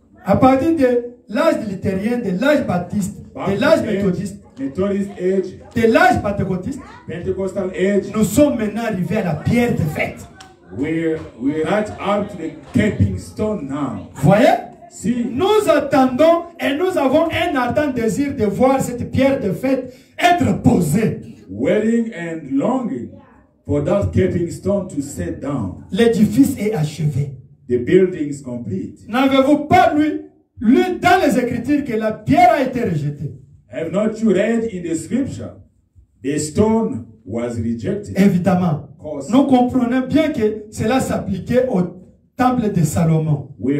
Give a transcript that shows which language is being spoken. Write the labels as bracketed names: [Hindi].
[French] à partir de l'âge luthérien, de l'âge baptiste, de l'âge méthodiste, de l'âge pentecôtiste, [English] Pentecostal age, [French] nous sommes maintenant arrivés à la pierre de fait. [English] We right up to the capping stone now. [French] Voyez? Si. Nous attendons et nous avons un ardent désir de voir cette pierre de fait être posée. [English] Waiting and longing for that capping stone to set down. [French] L'édifice est achevé. [English] The building is complete. [French] N'avez-vous pas lu dans les Écritures que la pierre a été rejetée? [English] Have not you read in the scripture the stone was rejected? [French] Évidemment. Nous comprenons bien que cela s'appliquait au temple de Salomon.